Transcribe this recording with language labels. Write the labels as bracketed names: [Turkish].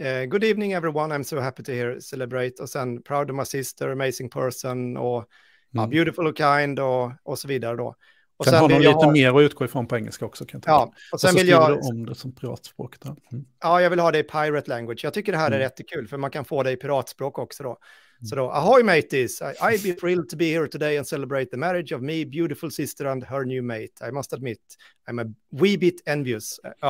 [English] Good evening everyone, I'm so happy to hear celebrate. [Swedish] Och sen [English] proud of my sister, amazing person, och beautiful and kind, [Swedish] och så vidare då. Och sen har hon lite mer att utgå ifrån på engelska också, kan jag tänka. Ja, och sen vill jag skriva om det som piratspråk då. Ja, jag vill ha det i pirate language. Jag tycker det här är jättekul, för man kan få det i piratspråk också då. Så då, [English] ahoy mateys, I'd be thrilled to be here today and celebrate the marriage of me, beautiful sister and her new mate. I must admit, I'm a wee bit envious.